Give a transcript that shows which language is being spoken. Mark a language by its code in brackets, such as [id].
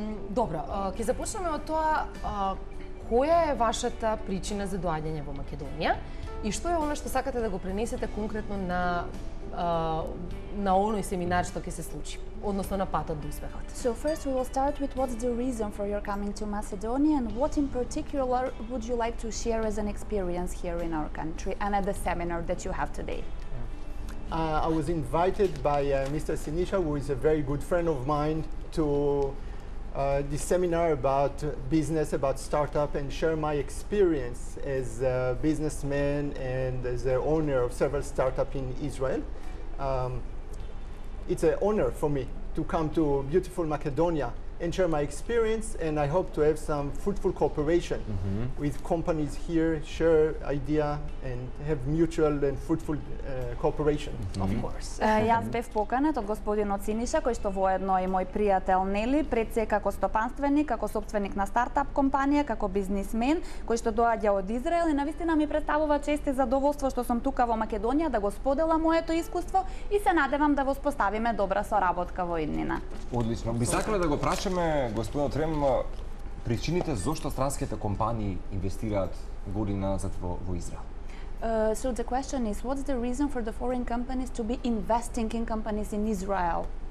[mk] Добро, ќе започнеме од тоа која е вашата причина за доаѓање во Македонија и што е она што сакате да го пренесете конкретно на на оној семинар што ќе се случи, односно на патот до успехот. [en] So first we will start with what's the reason for your coming to Macedonia and what in particular would you like to share as an experience here in our country and at the seminar that you have today? I was invited by Mr. Sinisha, who is a very good friend of mine, to this seminar about business, about startup, and share my experience as a businessman and as the owner of several startups in Israel. It's an honor for me to come to beautiful Macedonia and share my experience, and I hope to have some fruitful cooperation with companies here, share idea and have mutual and fruitful cooperation, of course. [mk] Јас бев поканет од господинот Синиша, кој што воедно е мој пријател, нели, пред се како стопанственик, како собственик на стартап компанија, како бизнисмен, кој што доаѓа од Израел и навистина ми представува чест и задоволство што сум тука во Македонија да го споделам моето искуство и се надевам да воспоставиме добра соработка во иднина. Одлично. Би сакала да го прашам ме, господин Трем, причините зошто странските компании инвестираат година назад во Израел? [en] So the question is, what's the reason for the foreign companies to be investing in companies in Israel?